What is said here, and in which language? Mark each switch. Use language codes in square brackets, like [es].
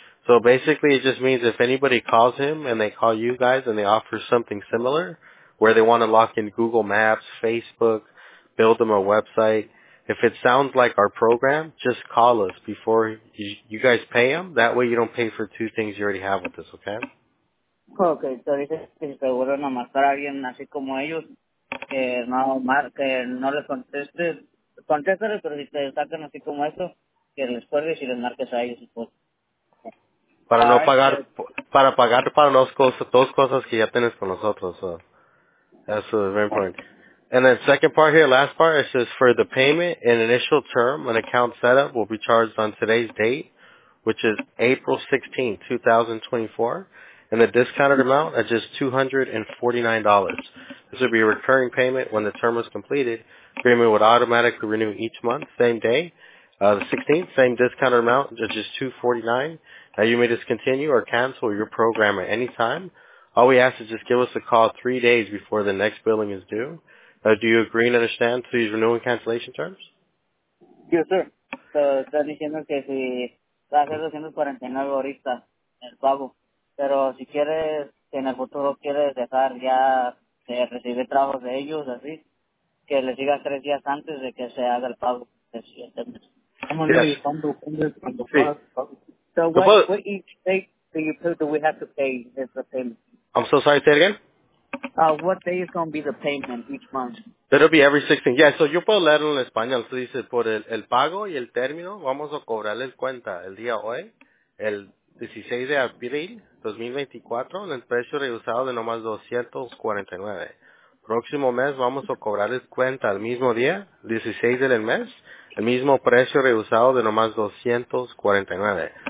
[en] So basically, it just means if anybody calls him and they call you guys and they offer something similar, where they want to lock in Google Maps, Facebook, build them a website, if it sounds like our program, just call us before you guys pay him. That way you don't pay for two things you already have with us, okay? [es] Okay, so dices que si te vuelven a marcar a alguien así como ellos, que no les contestes, pero si te sacan así como eso, que les cuelgues y les marques a ellos. Pues. Para no pagar, para pagar para los dos cosas que ya tienes con nosotros. [en] So. That's the main point. And then second part here, last part, it says for the payment in initial term, an account setup will be charged on today's date, which is April 16, 2024. And the discounted amount is just $249. This would be a recurring payment when the term was completed. Agreement would automatically renew each month, same day, the 16th, same discounted amount, just $249. Now you may discontinue or cancel your program at any time. All we ask is just give us a call 3 days before the next billing is due. Do you agree and understand to these renewal and cancellation terms? Yes, sir. [es] So, están diciendo que si va a ser $249 ahorita, el pago. Pero si quieres, si en el futuro quieres dejar ya de recibir trabajos de ellos, así, que les digas 3 días antes de que se haga el pago del siguiente mes. [en] Yes. So what each date do you put do we have to pay is the payment? I'm so sorry, say it again? What day is going to be the payment each month? It'll be every 16th. Yeah, so [es] yo puedo leerlo en español. So dice, por el pago y el término, vamos a cobrarles cuenta el día hoy, el 16 de abril 2024, en el precio reducido de nomás $249. próximo mes vamos a cobrarles cuenta el mismo día, 16 del mes, el mismo precio rehusado de nomás $249.